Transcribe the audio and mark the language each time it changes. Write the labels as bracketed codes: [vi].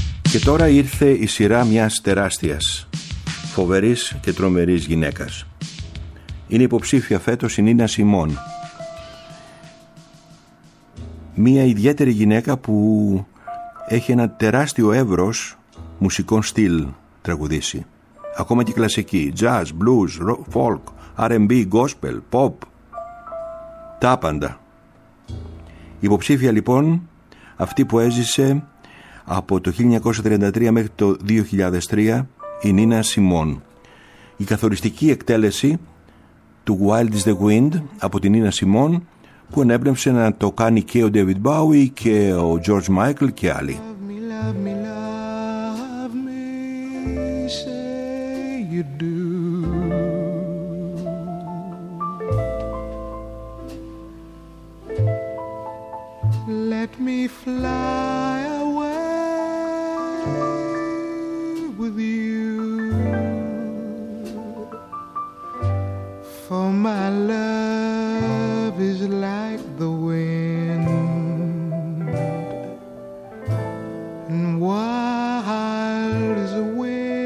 [el] Και τώρα ήρθε η σειρά μιας τεράστιας, φοβερής και τρομερής γυναίκας. Είναι υποψήφια φέτος η Νίνα Σιμών. Μία ιδιαίτερη γυναίκα που έχει ένα τεράστιο εύρος μουσικών στυλ τραγουδήσει. Ακόμα και κλασική, jazz, blues, rock, folk, R&B, gospel, pop, τα πάντα. Υποψήφια λοιπόν αυτή που έζησε από το 1933 μέχρι το 2003 η Νίνα Σιμών. Η καθοριστική εκτέλεση του Wild is the Wind από την Νίνα Σιμών που ενέμπνευσε να το κάνει και ο David Bowie και ο George Michael και άλλοι. [en] Love me, love me, love me, say you do. Let me fly with you, for my love is like the wind, and wild as a wind.